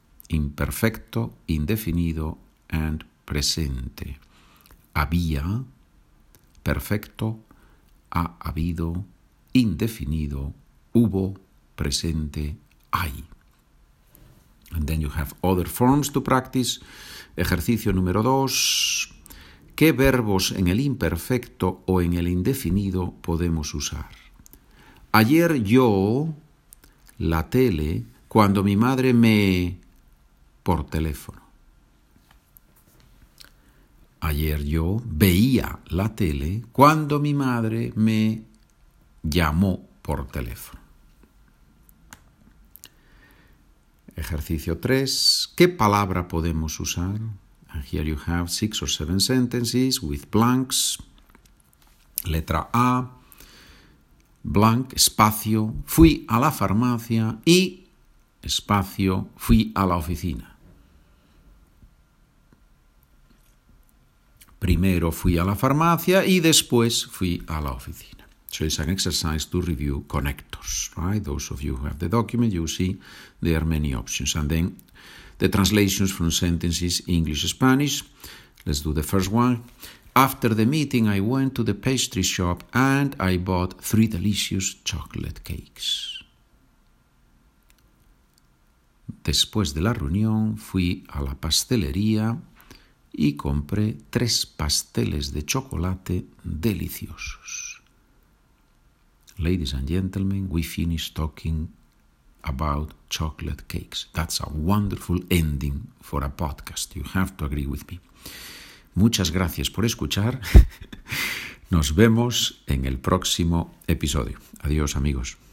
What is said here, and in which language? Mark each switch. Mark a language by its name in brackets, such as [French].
[Spanish] imperfecto, indefinido, and presente. Había, perfecto, ha habido, indefinido, hubo, presente, hay. [English] And then you have other forms to practice. [Spanish] Ejercicio número 2. ¿Qué verbos en el imperfecto o en el indefinido podemos usar? Ayer yo, la tele, cuando mi madre me... por teléfono. Ayer yo veía la tele cuando mi madre me llamó por teléfono. Ejercicio 3. ¿Qué palabra podemos usar? [English] And here you have 6 or 7 sentences with blanks. [Spanish] Letra A, blank, espacio, fui a la farmacia y, espacio, fui a la oficina. Primero fui a la farmacia y después fui a la oficina. [English] So it's an exercise to review connectors, right? Those of you who have the document, you see there are many options. And then the translations from sentences English-Spanish. Let's do the first one. After the meeting, I went to the pastry shop and I bought 3 delicious chocolate cakes. [Spanish] Después de la reunión, fui a la pastelería y compré 3 pasteles de chocolate deliciosos. [English] Ladies and gentlemen, we finished talking about chocolate cakes. That's a wonderful ending for a podcast. You have to agree with me. [Spanish] Muchas gracias por escuchar. Nos vemos en el próximo episodio. Adiós, amigos.